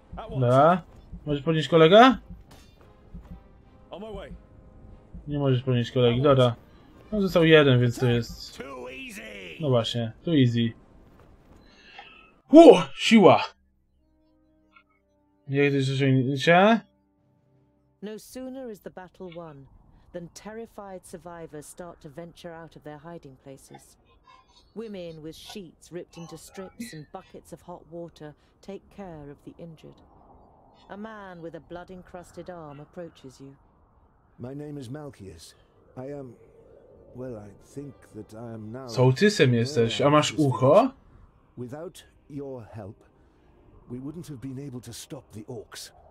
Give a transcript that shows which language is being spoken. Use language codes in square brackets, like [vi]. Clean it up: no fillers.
[pl] Dobra. Możesz podnieść kolega? Nie możesz podnieść kolegi, dobra. No został jeden, więc to jest... No właśnie, [en] too easy. [pl] Siła! Jak to jest osiągnięcie? [en] No sooner is the battle won, than terrified survivors start to venture out of their hiding places. Women with sheets ripped into strips and buckets of hot water take care of the injured. A man with a blood-encrusted arm approaches you. My name is Malchius. I am... Well, I think that I am now... [pl] Sołtysem jesteś, a masz ucho? [en] Without your help, we wouldn't have been able to stop the orcs.